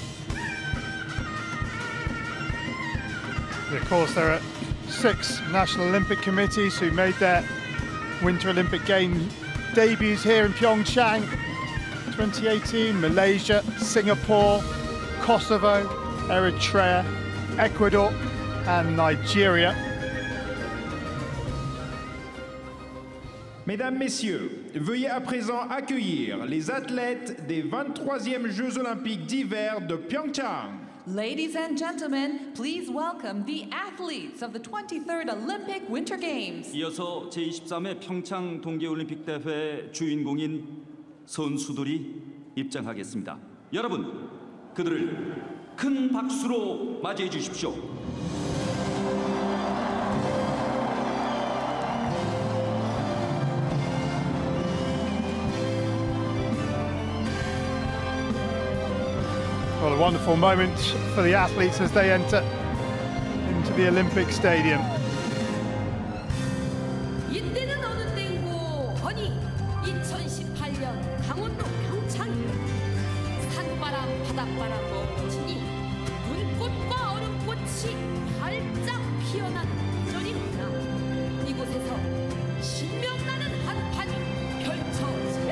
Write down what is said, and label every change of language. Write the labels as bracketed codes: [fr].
[en] Of course, there are six national Olympic committees who made their Winter Olympic Games debuts here in Pyeongchang 2018, Malaysia, Singapore, Kosovo, Eritrea, Ecuador and Nigeria. [fr] Mesdames, Messieurs, veuillez à présent accueillir les athlètes des 23e Jeux Olympiques d'hiver de Pyeongchang. [en] Ladies and gentlemen, please welcome the athletes of the 23rd Olympic Winter Games. [ko] 이어서 제23회 평창 동계올림픽 대회 주인공인 선수들이 입장하겠습니다. 여러분, 그들을 큰 박수로 맞이해 주십시오. [en] What a wonderful moment for the athletes as they enter into the Olympic Stadium. [ko] 이때는 어느 때인고 허니 2018년 강원도 평창 산바람 바닷바람 멈추니 꽃과 얼음꽃이 활짝 피어난 곳에서 신명나는 한판 펼쳐.